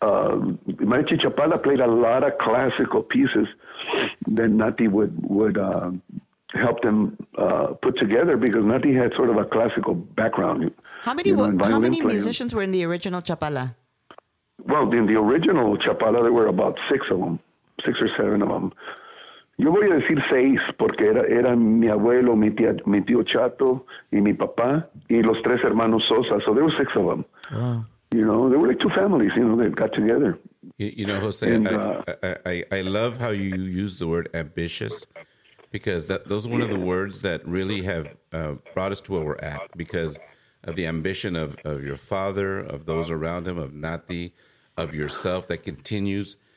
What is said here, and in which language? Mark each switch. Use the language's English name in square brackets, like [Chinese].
[English] Mariachi Chapala played a lot of classical pieces that Nati would help them put together because Nati had sort of a classical background. How many musicians were in the original Chapala? Well, in the original Chapala, there were about six or seven of them. [Spanish] Yo voy a decir seis porque era mi abuelo, mi tío Chato y mi papá y los tres hermanos Sosa. [English] So there were six of them. Wow. You know, they were like two families, you know, they got together. You know, Jose, and, I love how you use the word ambitious because those are one of the words that really have brought us to where we're at because of the ambition of your father, of those around him, of Nati, of yourself that continues.